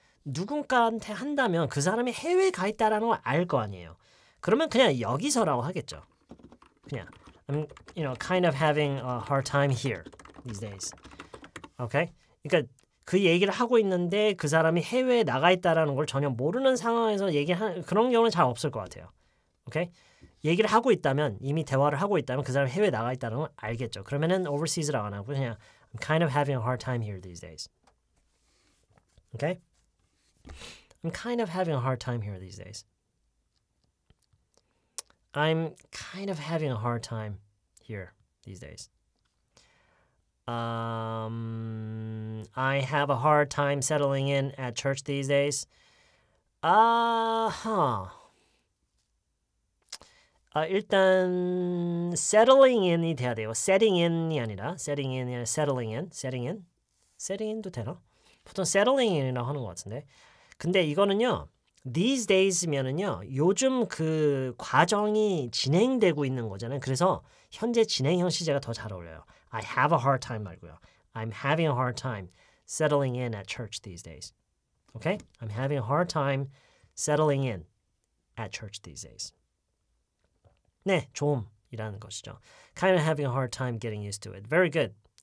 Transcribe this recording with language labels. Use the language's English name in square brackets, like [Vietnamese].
[Korean] 누군가한테 한다면 그 사람이 해외에 가 있다라는 걸 알 거 아니에요. 그러면 그냥 여기서라고 하겠죠. [English] 그냥 I'm, you know, kind of having a hard time here these days. Okay? [Korean] 그러니까 그 얘기를 하고 있는데 그 사람이 해외에 나가 있다라는 걸 전혀 모르는 상황에서 얘기하는 그런 경우는 잘 없을 것 같아요. [English] Okay? [Korean] 얘기를 하고 있다면 이미 대화를 하고 있다면 그 사람이 해외 나가 있다는 건 알겠죠. 그러면은 overseas라고 안 하고 그냥 [English] I'm kind of having a hard time here these days. Okay? I'm kind of having a hard time here these days. I'm kind of having a hard time here these days. I have a hard time settling in at church these days. Uh-huh. [Korean] 일단 settling in이 돼야 돼요. Setting in이 아니라 setting in, settling in, setting in, setting in도 되나? 보통 settling in이라고 하는 것 같은데, 근데 이거는요, these days면은요, 요즘 그 과정이 진행되고 있는 거잖아요. 그래서 현재 진행형 시제가 더 잘 어울려요. [English] I have a hard time [Korean] 말고요. [English] I'm having a hard time settling in at church these days. Okay? I'm having a hard time settling in at church these days. [Korean] 네, 좀 이라는 것이죠. [English] Kind of having a hard time getting used to it. Very good.